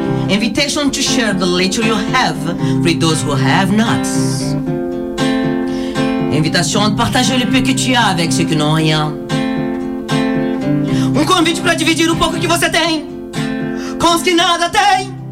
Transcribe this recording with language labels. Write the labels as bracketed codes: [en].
[en] Invitation to share the little you have for those who have not. [fr] Invitation de partager le peu que tu as avec ceux qui n'ont rien. [pt] Un convite para dividir o pouco que você tem com os que nada tem.